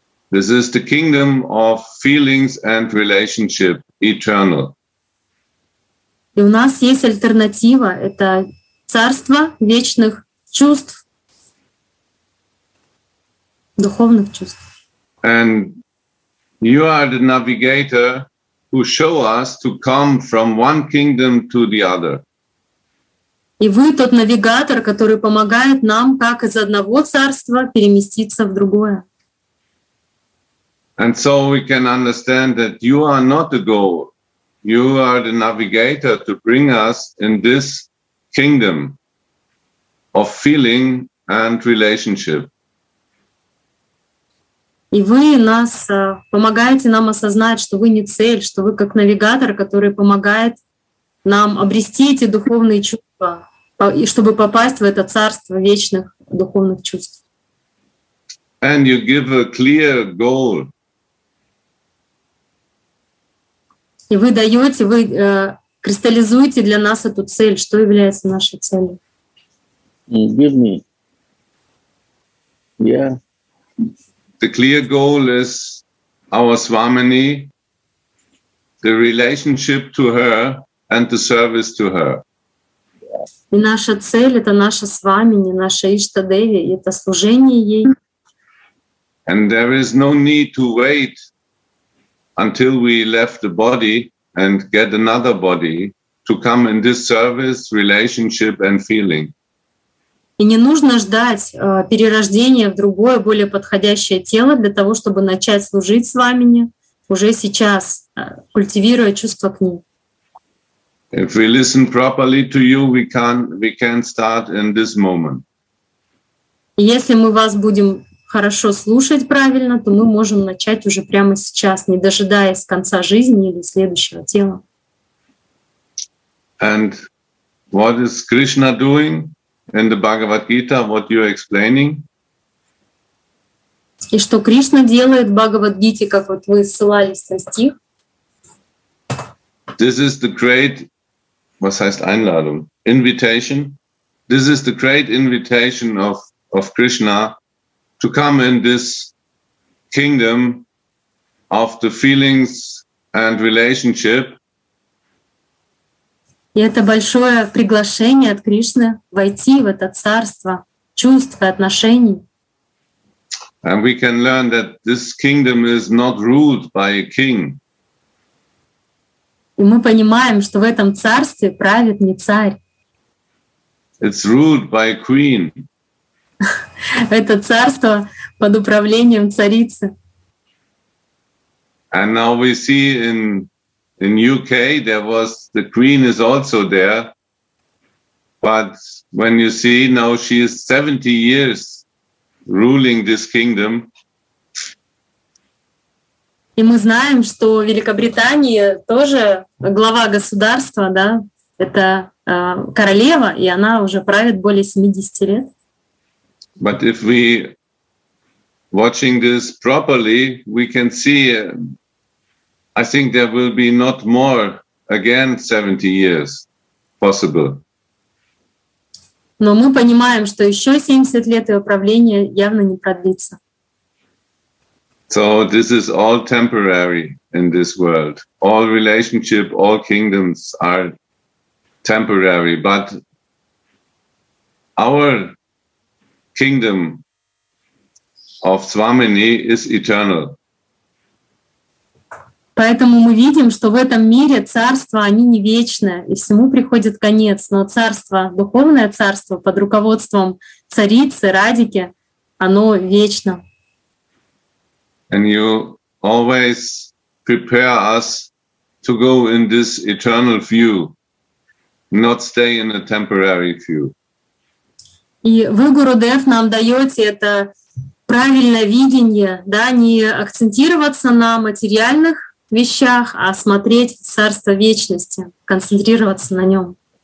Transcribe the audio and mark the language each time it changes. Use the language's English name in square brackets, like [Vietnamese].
[English] This is the kingdom of feelings and relationship eternal. [Russian] И у нас есть альтернатива — это царство вечных чувств, духовных чувств. [English] And you are the navigator who show us to come from one kingdom to the other. [Russian] И вы тот навигатор, который помогает нам, как из одного царства переместиться в другое. [English] And so we can understand that you are not the goal. You are the navigator to bring us in this kingdom of feeling and relationship. [Russian] И вы нас помогаете нам осознать, что вы не цель, что вы как навигатор, который помогает нам обрести эти духовные чувства, и чтобы попасть в это царство вечных духовных чувств. [English] And you give a clear goal. [Russian] И вы даете, вы кристаллизуете для нас эту цель, что является нашей целью. [English] Give me. Yeah. The clear goal is our Swamini, the relationship to her and the service to her. [Russian] И наша цель — это наша Свамини, наша Иштадеви, это служение ей. [English] And there is no need to wait until we left the body and get another body to come in this service, relationship and feeling. [Russian] И не нужно ждать перерождения в другое, более подходящее тело для того, чтобы начать служить с вами уже сейчас, культивируя чувство к ним. [English] If we listen properly to you, we can start in this moment. [Russian] Если мы вас будем хорошо слушать правильно, то мы можем начать уже прямо сейчас, не дожидаясь конца жизни или следующего тела. [English] And what is Krishna doing in the Bhagavad Gita, what you are explaining? [Russian] И что Кришна делает в Бхагавад Гите, как вот вы ссылались на стих? [English] This is the great, [German] was heißt Einladung, [English] invitation. This is the great invitation of Krishna to come in this kingdom of the feelings and relationship. [Russian] И это большое приглашение от Кришны войти в это царство чувств и отношений. [English] And we can learn that this kingdom is not ruled by a king. [Russian] И мы понимаем, что в этом царстве правит не царь. [English] It's ruled by a queen. [Russian] Это царство под управлением царицы. [English] And now we see in UK there was the queen is also there, but when you see now she is 70 years ruling this kingdom. [Russian] И мы знаем, что в Великобритании тоже глава государства, да, это королева, и она уже правит более 70 лет. [English] But if we watching this properly, we can see, I think there will be not more, again, 70 years possible. [Russian] Но мы понимаем, что еще 70 лет его правления явно не продлится. [English] So this is all temporary in this world. All relationship, all kingdoms are temporary, but our kingdom of Swamini is eternal. [Russian] Поэтому мы видим, что в этом мире царства, они не вечные, и всему приходит конец. Но царство, духовное царство под руководством царицы Радики, оно вечно. [English] And you always prepare us to go in this eternal view, not stay in a temporary view. [Russian] И вы, Гурудев, нам даете это правильное видение, да, не акцентироваться на материальных вещах, а смотреть царство вечности, концентрироваться на нем.